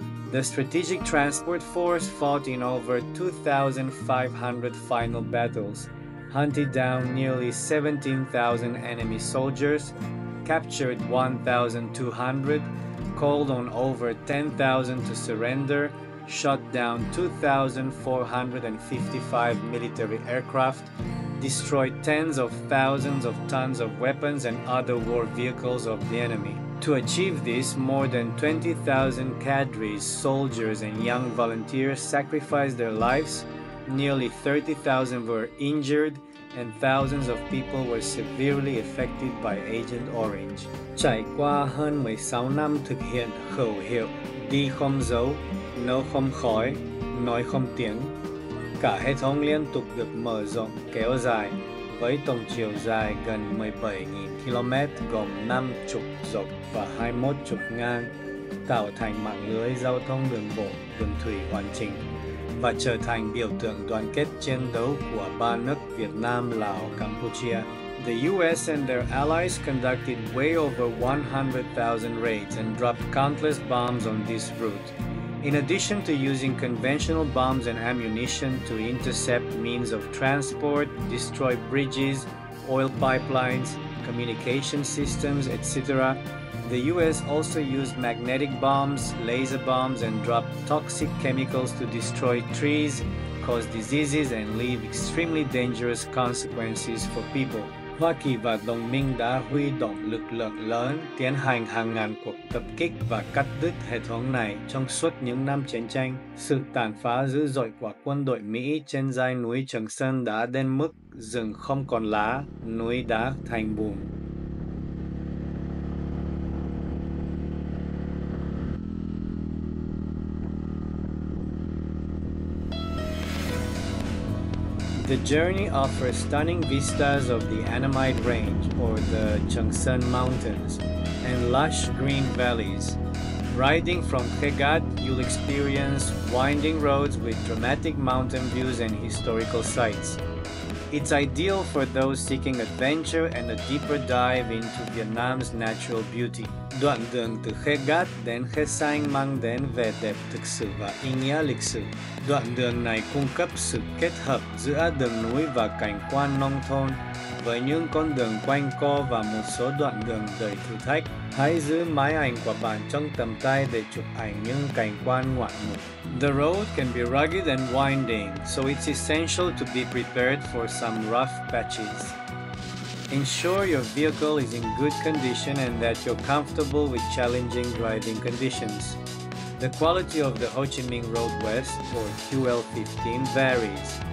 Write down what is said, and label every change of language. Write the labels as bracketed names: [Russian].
[English] The Strategic Transport Force fought in over 2,500 final battles, hunted down nearly 17,000 enemy soldiers, captured 1,200, called on over 10,000 to surrender, shot down 2,455 military aircraft, destroyed tens of thousands of tons of weapons and other war vehicles of the enemy. To achieve this, more than 20,000 cadres, soldiers, and young volunteers sacrificed their lives, nearly 30,000 were injured, and thousands of people were severely affected by Agent Orange. [Vietnamese] Trải qua hơn 16 năm thực hiện khẩu hiệu đi không dấu, nấu không khói, nói không tiếng, cả hệ thống liên tục được mở rộng kéo dài. Với tổng chiều dài gần 17.000 km gồm 5 trục dọc và 21 trục ngang, tạo thành mạng lưới giao thông đường bộ, đường thủy hoàn chỉnh và trở thành biểu tượng đoàn kết chiến đấu của ba nước Việt Nam, Lào, Campuchia. [English] The US and their allies conducted way over 100,000 raids and dropped countless bombs on this route. In addition to using conventional bombs and ammunition to intercept means of transport, destroy bridges, oil pipelines, communication systems, etc., the US also used magnetic bombs, laser bombs, and dropped toxic chemicals to destroy trees, cause diseases, and leave extremely dangerous consequences for people. [Vietnamese] Hoa Kỳ và đồng minh đã huy động lực lượng lớn, tiến hành hàng ngàn cuộc tập kích và cắt đứt hệ thống này trong suốt những năm chiến tranh. Sự tàn phá dữ dội của quân đội Mỹ trên dãy núi Trường Sơn đã đến mức rừng không còn lá, núi đá thành bùn. [English] The journey offers stunning vistas of the Annamite Range, or the Trường Sơn Mountains, and lush green valleys. Riding from Hue Ga, you'll experience winding roads with dramatic mountain views and historical sites. It's ideal for those seeking adventure and a deeper dive into Vietnam's natural beauty. [Vietnamese] Đoạn đường từ Hue Ga đến Hue Sinh mang đến vẻ đẹp thực sự và ý nghĩa lịch sử. Đoạn đường này cung cấp sự kết hợp giữa đường núi và cảnh quan nông thôn. Với những con đường quanh co và một số đoạn đường đầy thử thách, hãy giữ máy ảnh của bạn trong tầm tay để chụp ảnh những cảnh quan ngoạn mục. [English] The road can be rugged and winding, so it's essential to be prepared for some rough patches. Ensure your vehicle is in good condition and that you're comfortable with challenging driving conditions. The quality of the Ho Chi Minh Road West, or QL15, varies.